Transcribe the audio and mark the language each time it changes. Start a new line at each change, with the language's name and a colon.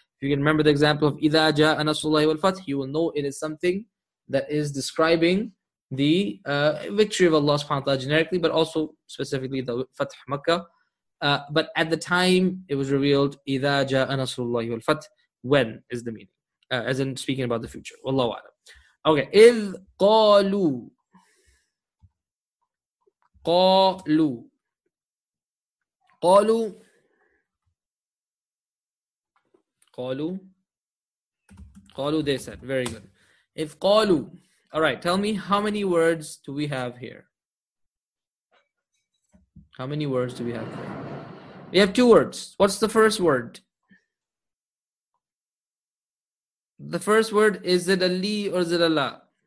English: If you can remember the example of
Arabic: إِذَا جَاءَ نَصْرُ اللَّهِ وَالْفَتْحِ,
English: you will know it is something that is describing the victory of Allah subhanahu wa ta'ala generically, but also specifically the Fath Makkah. But at the time, it was revealed
Arabic: إِذَا جَاءَ نَصْرُ اللَّهِ وَالْفَتْحِ,
English: when is the meaning? As in speaking about the future. Wallahu a'lam. Okay.
Arabic: إِذْ قَالُوا قَالُوا قالوا قالوا قالوا
English: they said. Very good. If
Arabic: قالوا,
English: all right, tell me how many words do we have here? How many words do we have here? We have two words. What's the first word? The first word, is it a li or is it a la?